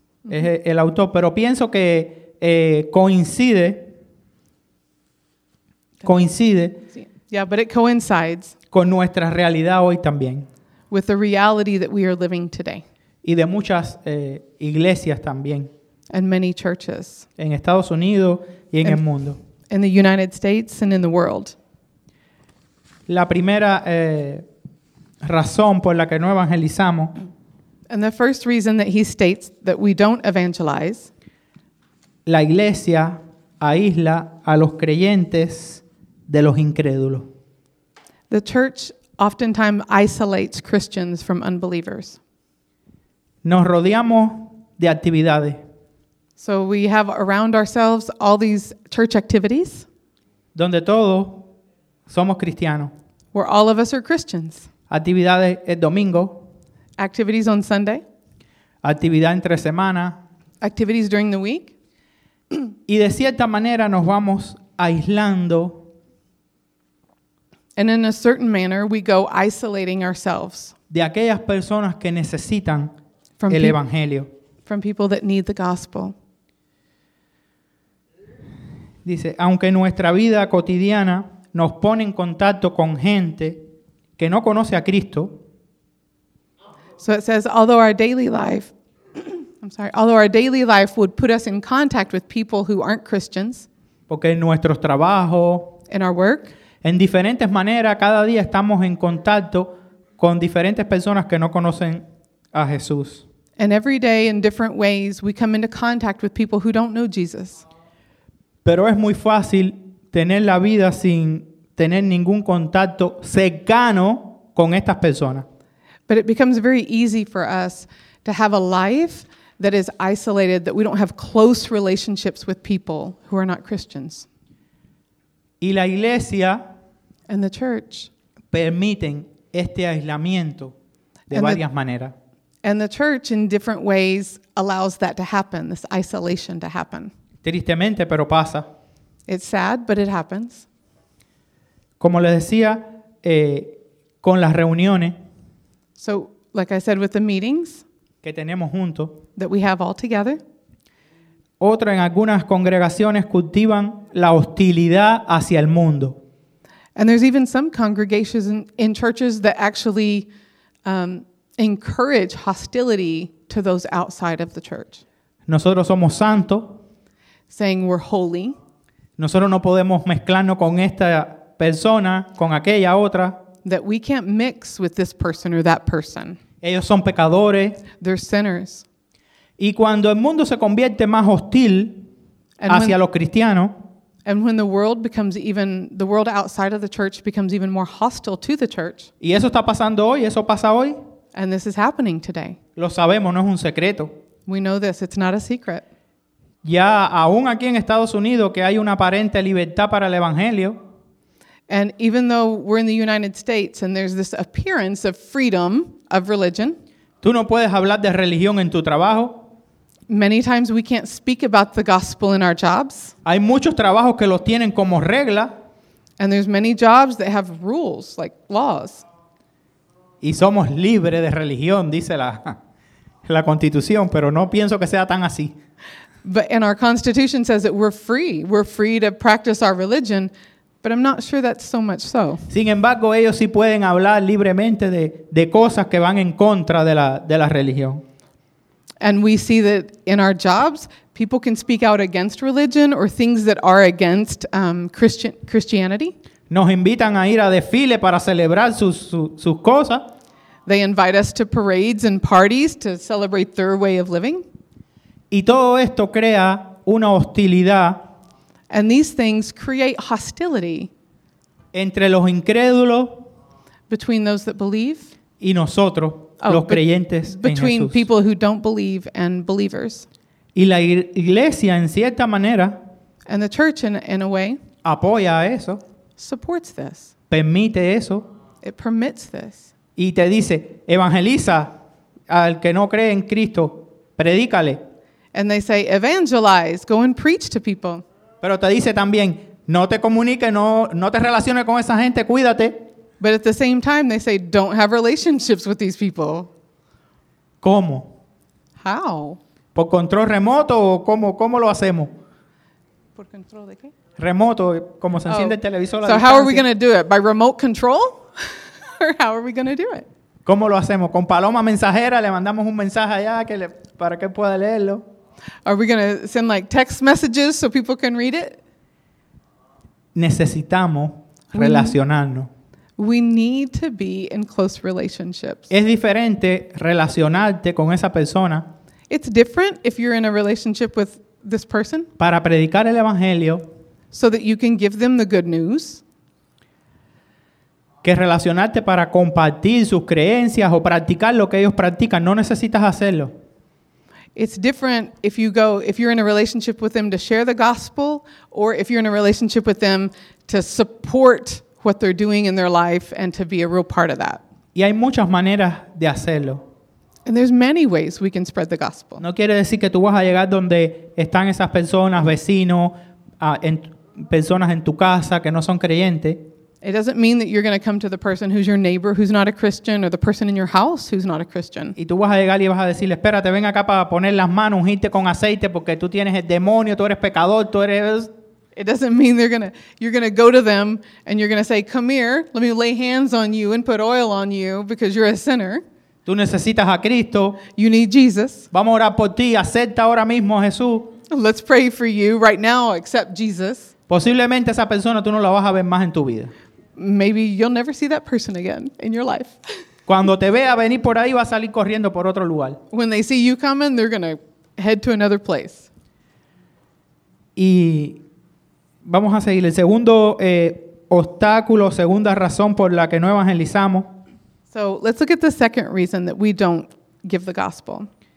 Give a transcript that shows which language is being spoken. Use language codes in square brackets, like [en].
[es] Es el autor, pero pienso que coincide. Coincide. [en] Yeah, but it coincides. [es] Con nuestra realidad hoy también. [en] With the reality that we are living today. [es] Y de muchas iglesias también. [en] And many churches. [es] En Estados Unidos y en el mundo. [en] In the United States and in the world. [es] La primera razón por la que no evangelizamos. [en] And the first reason that he states that we don't evangelize. [es] La iglesia aísla a los creyentes de los incrédulos. [en] The church oftentimes isolates Christians from unbelievers. [es] Nos rodeamos de actividades. [en] So we have around ourselves all these church activities. [es] Donde todos somos cristianos. [en] Where all of us are Christians. [es] Actividades el domingo. [en] Activities on Sunday. [es] Actividad entre semana. [en] Activities during the week. [es] Y de cierta manera nos vamos aislando. [en] And in a certain manner we go isolating ourselves. [es] De aquellas personas que necesitan el evangelio. [en] From people that need the gospel. [es] Dice, aunque nuestra vida cotidiana nos pone en contacto con gente que no conoce a Cristo. [en] So it says, although our daily life, I'm sorry, although our daily life would put us in contact with people who aren't Christians. [es] Porque en nuestros trabajos. [en] In our work. [es] En diferentes maneras, cada día estamos en contacto con diferentes personas que no conocen a Jesús. [en] And every day in different ways we come into contact with people who don't know Jesus. [es] Pero es muy fácil tener la vida sin tener ningún contacto cercano con estas personas. [en] But it becomes very easy for us to have a life that is isolated, that we don't have close relationships with people who are not Christians. [es] Y la iglesia [en] and the church [es] permiten este aislamiento de varias maneras. [en] And the church in different ways allows that to happen, this isolation to happen. [es] Tristemente, pero pasa. [en] It's sad, but it happens. [es] Como les decía, con las reuniones. [en] So, like I said, with the meetings [es] que tenemos juntos, [en] that we have all together. [es] Otra, en algunas congregaciones cultivan la hostilidad hacia el mundo. [en] And there's even some congregations in churches that actually encourage hostility to those outside of the church. [es] Nosotros somos santos. [en] Saying we're holy. [es] Nosotros no podemos mezclarnos con esta persona, con aquella otra. [en] That we can't mix with this person or that person. [es] Ellos son pecadores. [en] They're sinners. [es] Y cuando el mundo se convierte más hostil hacia los cristianos, [en] and when the world outside of the church becomes even more hostile to the church. [es] Y eso está pasando hoy, eso pasa hoy. [en] And this is happening today. [es] Lo sabemos, no es un secreto. [en] We know this, it's not a secret. [es] Ya aún aquí en Estados Unidos que hay una aparente libertad para el evangelio. [en] And even though we're in the United States and there's this appearance of freedom of religion. [es] Tú no puedes hablar de religión en tu trabajo. [en] Many times we can't speak about the gospel in our jobs. [es] Hay muchos trabajos que los tienen como regla. [en] And there's many jobs that have rules, like laws. [es] Y somos libres de religión, dice la Constitución, pero no pienso que sea tan así. [en] But and our Constitution says that we're free. We're free to practice our religion, but I'm not sure that's so much so. [es] Sin embargo, ellos sí pueden hablar libremente de cosas que van en contra de la religión. [en] And we see that in our jobs, people can speak out against religion or things that are against Christianity. [es] Nos invitan a ir a desfiles para celebrar sus cosas. [en] They invite us to parades and parties to celebrate their way of living. [es] Y todo esto crea una hostilidad. [en] And these things create hostility. [es] Entre los incrédulos. [en] Between those that believe. [es] Y nosotros. Los creyentes [en] between [es] en Jesús. [en] People who don't believe and believers. [es] Y la iglesia, en cierta manera, [en] and the church, in a way, [es] apoya eso, [en] supports this. [es] Permite eso, [en] it permits this. [es] Y te dice, evangeliza al que no cree en Cristo, predícale. [en] And they say, evangelize, go and preach to people. [es] Pero te dice también, no te comunique, no te relaciones con esa gente, cuídate. [en] But at the same time, they say, don't have relationships with these people. [es] ¿Cómo? [en] How? [es] ¿Por control remoto o cómo lo hacemos? ¿Por control de qué? Remoto, como se enciende el televisor. [en] So how are we going to do it? By remote control? Or how are we going to do it? [es] ¿Cómo lo hacemos? ¿Con paloma mensajera le mandamos un mensaje allá para que pueda leerlo? [en] Are we going to send like text messages so people can read it? [es] Necesitamos relacionarnos. [en] We need to be in close relationships. [es] Es diferente relacionarte con esa persona. [en] It's different if you're in a relationship with this person. [es] Para predicar el evangelio. [en] So that you can give them the good news. [es] Que relacionarte para compartir sus creencias o practicar lo que ellos practican. No necesitas hacerlo. [en] It's different if you're in a relationship with them to share the gospel, or if you're in a relationship with them to support what they're doing in their life and to be a real part of that. [es] Y hay muchas maneras de hacerlo. [en] And there's many ways we can spread the gospel. [es] No quiere decir que tú vas a llegar donde están esas personas, vecinos, personas en tu casa que no son creyentes. [en] It doesn't mean that you're going to come to the person who's your neighbor who's not a Christian, or the person in your house who's not a Christian. [es] Y tú vas a llegar y vas a decirle, espérate, ven acá para poner las manos, ungirte con aceite porque tú tienes el demonio, tú eres pecador, tú eres... [en] It doesn't mean you're going to go to them and you're going to say, come here, let me lay hands on you and put oil on you because you're a sinner. [es] Tú necesitas a Cristo. [en] You need Jesus. [es] Vamos a orar por ti. Acepta ahora mismo a Jesús. [en] Let's pray for you right now. Accept Jesus. [es] Posiblemente esa persona tú no la vas a ver más en tu vida. [en] Maybe you'll never see that person again in your life. [es] Cuando te vea venir por ahí, va a salir corriendo por otro lugar. [en] When they see you coming, they're going to head to another place. [es] Y vamos a seguir. El segundo obstáculo, segunda razón por la que no evangelizamos. [en] So let's look at the second reason that we don't give the gospel.